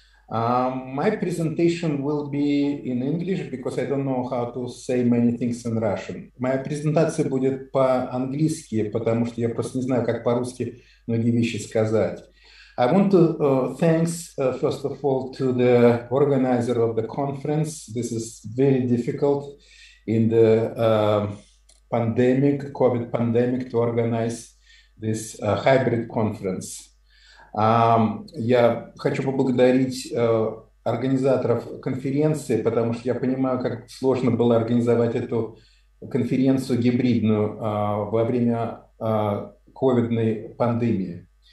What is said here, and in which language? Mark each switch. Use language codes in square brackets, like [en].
[en] My presentation will be in English, because I don't know how to say many things in Russian. [ru] Моя презентация будет по-английски, потому что я просто не знаю, как по-русски многие вещи сказать. [en] I want to thanks, first of all, to the organizer of the conference. This is very difficult in the pandemic, COVID pandemic, to organize this hybrid conference. [ru] Я хочу поблагодарить организаторов конференции, потому что я понимаю, как сложно было организовать эту конференцию гибридную во время ковидной пандемии.